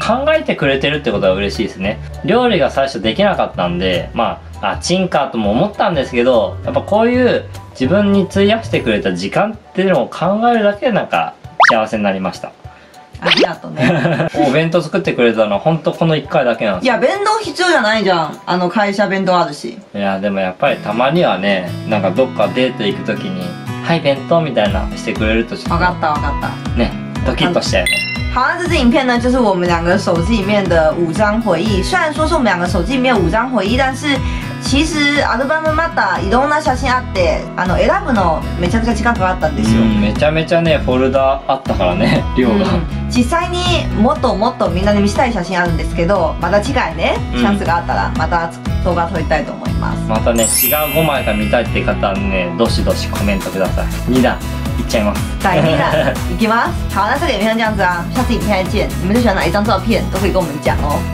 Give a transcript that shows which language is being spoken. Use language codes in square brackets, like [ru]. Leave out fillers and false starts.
[ja] 考えてくれてるってことは嬉しいですね。料理が最初できなかったんで、まあ、あチンかとも思ったんですけど、やっぱこういう自分に費やしてくれた時間っていうのを考えるだけでなんか幸せになりました。ありがとうねお弁当作ってくれたのはほんとこの1回だけなんです。いや弁当必要じゃないじゃん、あの会社弁当あるし。いやでもやっぱりたまにはね、なんかどっかデート行くときにはい弁当みたいなしてくれるとして、分かったね、ドキッとして。 [zh] 好，这支影片呢，就是我们两个手机里面的五张回忆。虽然说是我们两个手机里面五张回忆，但是其实 [ja] アルバムまたいろんな写真あって、あの選ぶのめちゃくちゃ近くあったんですよ。めちゃめちゃねフォルダあったからね量が。実際にもっともっとみんなに見せたい写真あるんですけど、また次回ねチャンスがあったらまた動画撮りたいと思います。またね違う5枚が見たいって方はねどしどしコメントください。 2段いっちゃいます。第2段いきます。 [zh] 好，那这里影片就这样子啊，下次影片再见。你们最喜欢哪一张照片都可以跟我们讲哦。